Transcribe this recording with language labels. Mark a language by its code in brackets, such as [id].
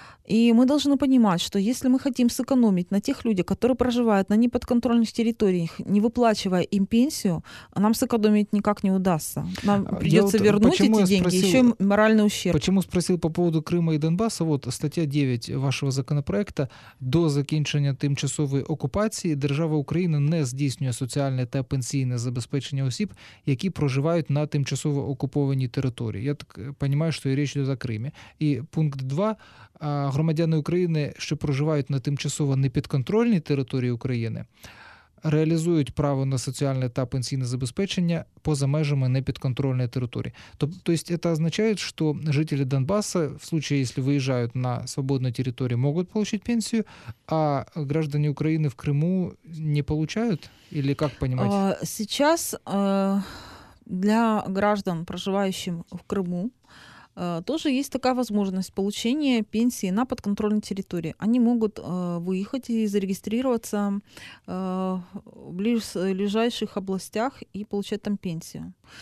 [ru] И мы должны понимать, что если мы хотим сэкономить на тех людях, которые проживают на неподконтрольных территориях, не выплачивая им пенсию, нам сэкономить никак не удастся. Нам придется вернуть эти деньги, еще и моральный ущерб. Почему спросил по поводу Крыма и Донбасса? Вот статья 9 вашего законопроекта. [uk] До закінчення тимчасової окупації держава Україна не здійснює соціальне та пенсійне забезпечення осіб, які проживають на тимчасово окупованій території. Я так розумію, що і річ йде за Крим. І пункт 2. Громадяни України, що проживають на тимчасово непідконтрольній території України, реалізують право на соціальне та пенсійне забезпечення поза межами непідконтрольної території. Тобто, це означає, що жителі Донбасу, в случае, якщо виїжджають на свободну територію, можуть отримати пенсію, а граждане України в Криму не отримують? [ru] Или як понимать? Сейчас для граждан, проживающих в Криму, тоже есть такая возможность получения пенсии на подконтрольной территории. Они могут выехать и зарегистрироваться в ближайших областях и получать там пенсию.